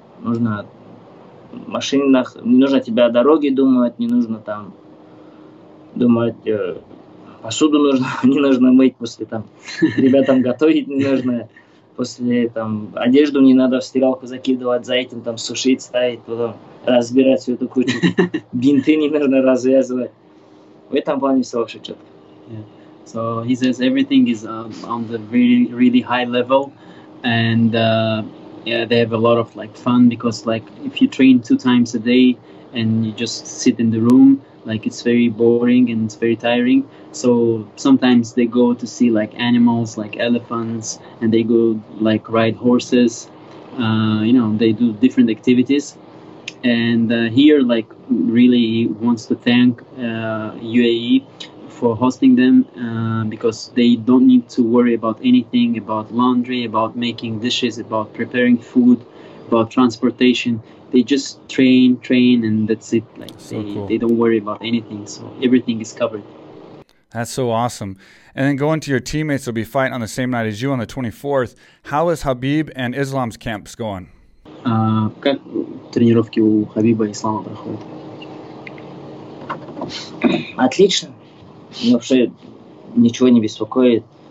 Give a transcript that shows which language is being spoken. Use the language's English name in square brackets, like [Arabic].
[Russian] Нужно в машинах, не нужно тебя о дороге думать, не нужно там думать, посуду нужно, не нужно мыть после там, ребятам готовить не нужно. После там одежду не надо в стиралку закидывать, за этим там сушить, ставить, потом разбирать всю эту кучу. Бинты не нужно развязывать. В этом плане все вообще четко. [English] So he says everything is on the really, really high level. And yeah, they have a lot of like fun, because like if you train two times a day and you just sit in the room, like it's very boring and it's very tiring. So sometimes they go to see like animals, like elephants, and they go like ride horses. You know, they do different activities. And here, like, really wants to thank UAE for hosting them, because they don't need to worry about anything, about laundry, about making dishes, about preparing food, about transportation. They just train, and that's it. Like, so they don't worry about anything. So everything is covered. That's so awesome. And then going to your teammates will be fighting on the same night as you on the 24th. How is Habib and Islam's camps going? [Russian] Как тренировки у Хабиба и Ислама проходят? Отлично. Мне вообще ничего не беспокоит.